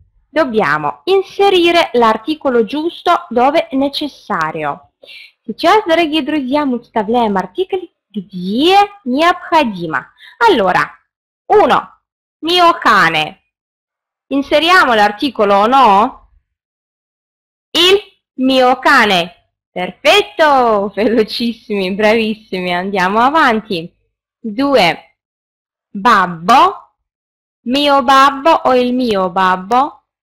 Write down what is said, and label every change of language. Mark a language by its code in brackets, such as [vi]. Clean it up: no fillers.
[it] Dobbiamo inserire l'articolo giusto dove necessario. [ru] Сейчас, дорогие друзья, мы вставляем артикль, где необходимо. [it] Allora, uno, mio cane. Inseriamo l'articolo o no? Il mio cane. Perfetto, velocissimi, bravissimi, andiamo avanti. Due, babbo, mio babbo o il mio babbo?